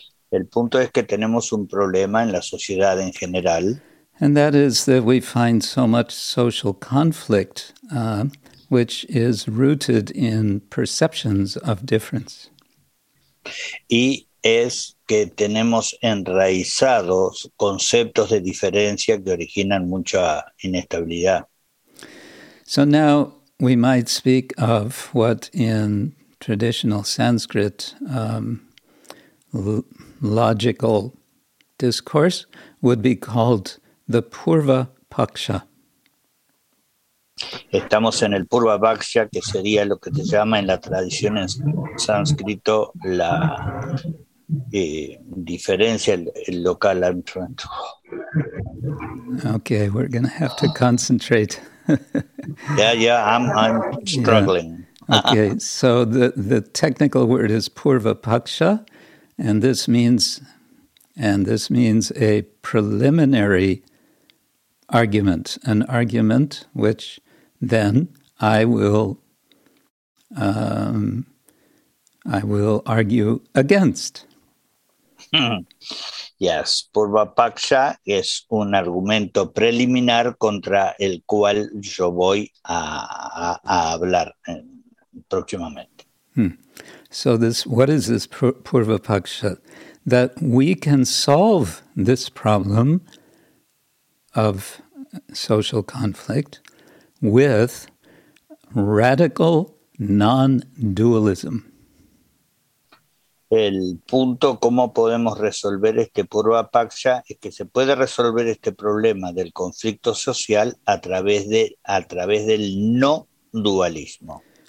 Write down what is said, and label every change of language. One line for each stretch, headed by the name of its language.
Spanish: El punto es que tenemos un problema en la sociedad en general.
English: And that is that we find so much social conflict, which is rooted in perceptions of difference.
Spanish: Y es que tenemos enraizados conceptos de diferencia que originan mucha inestabilidad.
English: So now we might speak of what in traditional Sanskrit, logical discourse would be called the Purva Paksha.
Spanish: Estamos en el Purva Paksha, que sería lo que se llama en la tradición en sánscrito la diferencia, el local enfrento.
English: Okay, we're going to have to concentrate. I'm struggling. Yeah. Okay, so the technical word is Purva Paksha, and this means a preliminary argument, an argument which then I will argue against.
Spanish: Yes, Purva Paksha es un argumento preliminar contra el cual yo voy a hablar próximamente.
English: So what is this Purva Paksha? That we can solve this problem of social conflict with radical non-dualism.
Spanish: El punto cómo podemos resolver este Purva Paksha es que se puede resolver este problema del conflicto social a través del no dualismo.